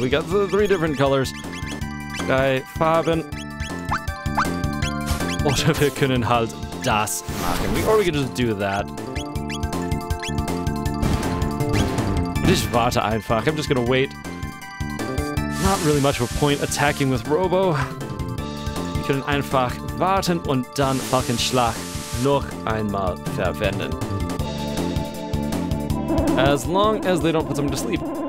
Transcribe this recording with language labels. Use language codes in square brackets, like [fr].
[en] We got three different colors. [de] Drei Farben. Oder wir können halt das machen. [en] Or we can just do that. [de] Ich warte einfach. [en] I'm just gonna wait. Not really much of a point attacking with Robo. [de] Wir können einfach warten und dann Falkenschlag noch einmal verwenden. [en] As long as they don't put someone to sleep.